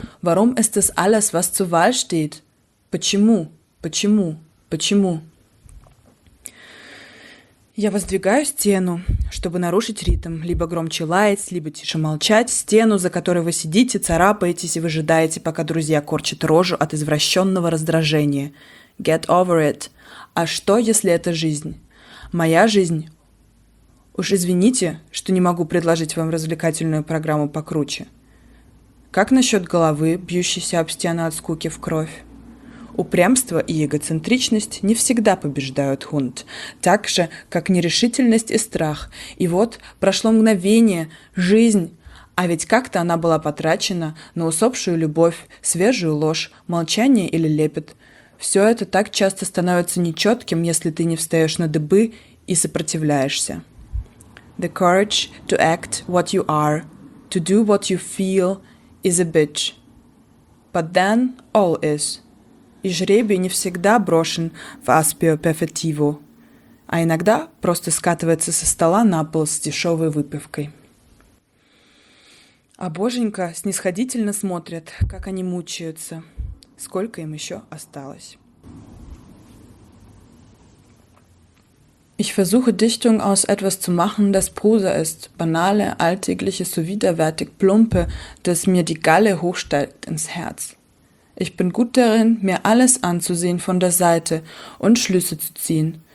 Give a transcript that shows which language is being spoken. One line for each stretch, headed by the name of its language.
German: Warum ist das alles, was zur Wahl steht?
Russian: Почему? Почему? Почему? Я воздвигаю стену, чтобы нарушить ритм, либо громче лаять, либо тише молчать, стену, за которой вы сидите, царапаетесь и выжидаете, пока друзья корчат рожу от извращенного раздражения.
English: Get over it.
Russian: А что, если это жизнь? Моя жизнь? Уж извините, что не могу предложить вам развлекательную программу покруче. Как насчет головы, бьющейся об стену от скуки в кровь? Упрямство и эгоцентричность не всегда побеждают хунт, так же, как нерешительность и страх. И вот прошло мгновение, жизнь, а ведь как-то она была потрачена на усопшую любовь, свежую ложь, молчание или лепет. Все это так часто становится нечетким, если ты не встаешь на дыбы и сопротивляешься.
English: The courage to act what you are, to do what you feel, is a bitch. But then all is.
Russian: И жребий не всегда брошен в аспио перфективу, а иногда просто скатывается со стола на пол с дешевой выпивкой. А боженька снисходительно смотрят, как они мучаются. Сколько им еще осталось?
German: Ich versuche Dichtung aus etwas zu machen, das Prosa ist, banale, alltägliche, so widerwärtig, plumpe, das mir die Galle hochsteigt ins Herz. Ich bin gut darin, mir alles anzusehen von der Seite und Schlüsse zu ziehen.